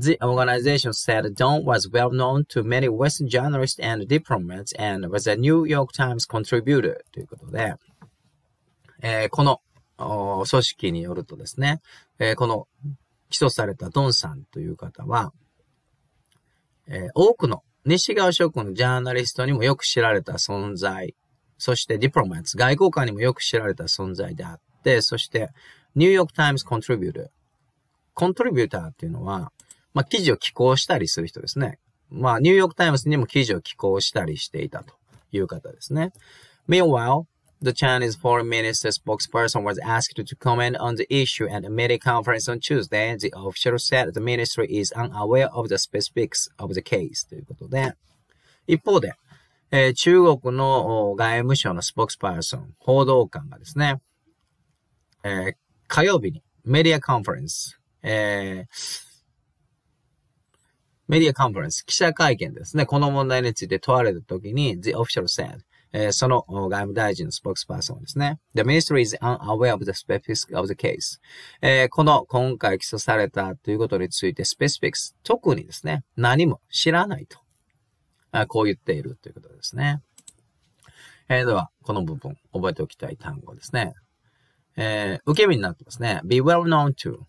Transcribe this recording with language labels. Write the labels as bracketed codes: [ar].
[en] The organization said Dong was well known to many Western journalists and diplomats and was a New York Times contributor [ja] ということで、この組織によるとですね、この起訴されたドンさんという方は、多くの西側諸国のジャーナリストにもよく知られた存在、そしてディプロマッツ、外交官にもよく知られた存在であって、そしてニューヨークタイムズコントリビューター。コントリビューターっていうのは、まあ記事を寄稿したりする人ですね。まあニューヨークタイムズにも記事を寄稿したりしていたという方ですね。 [en] Meanwhile,The Chinese Foreign Minister's spokesperson was asked to comment on the issue at a media conference on Tuesday. The official said the ministry is unaware of the specifics of the case. [ja] ということで、一方で、中国の外務省のスポークスパーソン、報道官がですね、火曜日にメディアコンフェレンス、メディアコンフェレンス、記者会見ですね、この問題について問われたときに、 [en] The official said, [ja] その外務大臣のスポークスパーソンですね。 [en] The ministry is unaware of the specifics of the case. [ja] この今回起訴されたということについて、specifics、特にですね、何も知らないと、こう言っているということですね。では、この部分、覚えておきたい単語ですね。受け身になってますね。 [en] be well known to。